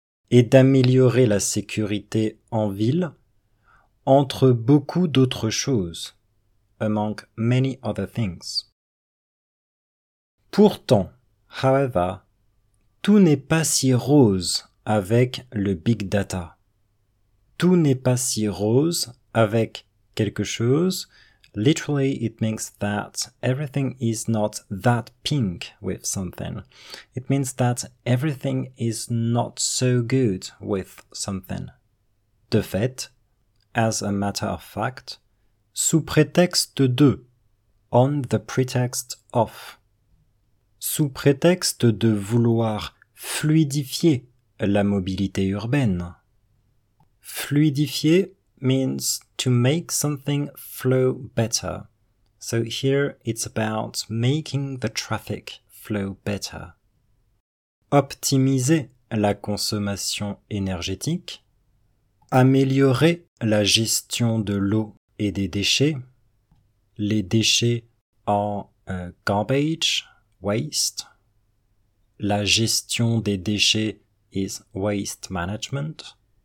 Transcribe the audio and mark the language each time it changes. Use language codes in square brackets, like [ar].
[fr] Et d'améliorer la sécurité en ville, entre beaucoup d'autres choses, [en] among many other things. [fr] Pourtant, [en] however, [fr] tout n'est pas si rose avec le big data. Tout n'est pas si rose avec quelque chose. [en] Literally, it means that everything is not that pink with something. It means that everything is not so good with something. [fr] De fait, [en] as a matter of fact, [fr] sous prétexte de, [en] on the pretext of, [fr] sous prétexte de vouloir fluidifier la mobilité urbaine. [en] Fluidifier means to make something flow better. So here it's about making the traffic flow better. [fr] Optimiser la consommation énergétique. Améliorer la gestion de l'eau et des déchets. Les déchets en [en] garbage, waste. [fr] La gestion des déchets [en] is waste management.